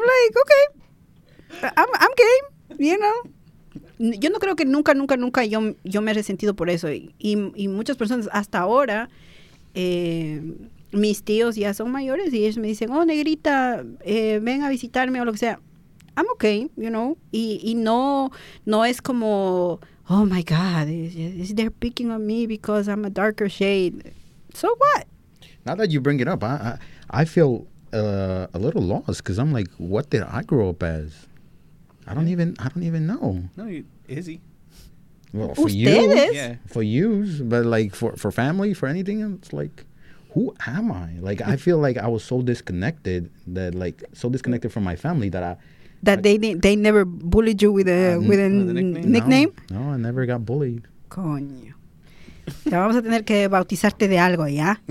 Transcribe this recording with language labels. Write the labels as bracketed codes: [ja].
[en] I'm like, okay, I'm game, you know. [es] Yo no creo que nunca yo me he resentido por eso. Y muchas personas hasta ahora, mis tíos ya son mayores y ellos me dicen, oh, negrita, ven a visitarme o lo que sea. [en] I'm okay, you know. [es] Y no es como, [en] oh, my God, is they're picking on me because I'm a darker shade. So what? Now that you bring it up, I feel a little lost because I'm like, what did I grow up as? I don't even know. No, Izzy. Well, for you, for you, but like for family, for anything, it's like, who am I? Like, I feel like I was so disconnected from my family that I. That they never bullied you with a nickname? No, I never got bullied. [es] Coño. Ya vamos a tener que bautizarte de algo, ¿ya?